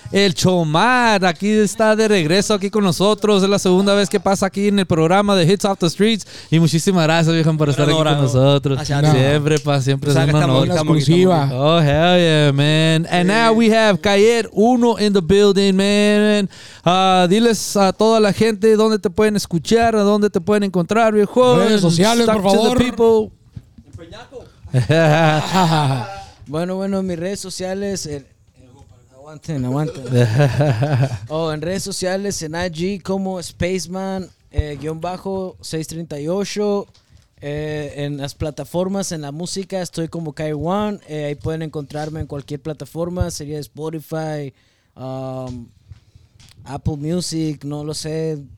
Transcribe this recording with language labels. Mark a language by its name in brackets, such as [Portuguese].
[Spanish] El Chomat aquí está de regreso aquí con nosotros. Es la segunda vez que pasa aquí en el programa de Hits Off the Streets. Y muchísimas gracias, viejo, por estar aquí con nosotros. Siempre, pa, siempre es un honor. Exclusiva. [English] Oh, hell yeah, man. And now we have Kair Uno in the building, man. [Spanish] Diles a toda la gente dónde te pueden escuchar, a dónde te pueden encontrar, viejo. Redes sociales, por favor. [English] Talk to the people. [Spanish] Bueno, mis redes sociales, aguanten. Oh, en redes sociales, en IG como Spaceman, -638, en las plataformas, en la música, estoy como Kai One, ahí pueden encontrarme en cualquier plataforma, sería Spotify, Apple Music, no lo sé.